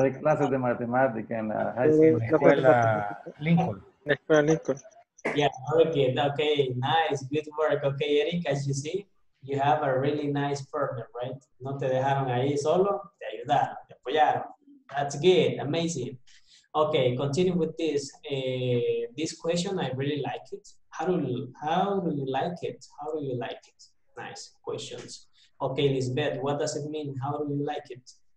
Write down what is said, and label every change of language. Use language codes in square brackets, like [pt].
[es] Hay clases de matemáticas en la [en] high school. [es] Lincoln. La escuela Lincoln. [en] Yeah, okay, nice, good work. Okay, Eric, as you see, you have a really nice partner, right? [es] No te dejaron ahí solo, te ayudaron, te apoyaron. [en] That's good, amazing. Okay, continue with this. This question, I really like it. How do you like it? Nice questions. Okay, Lisbeth, what does it mean? How do you like it?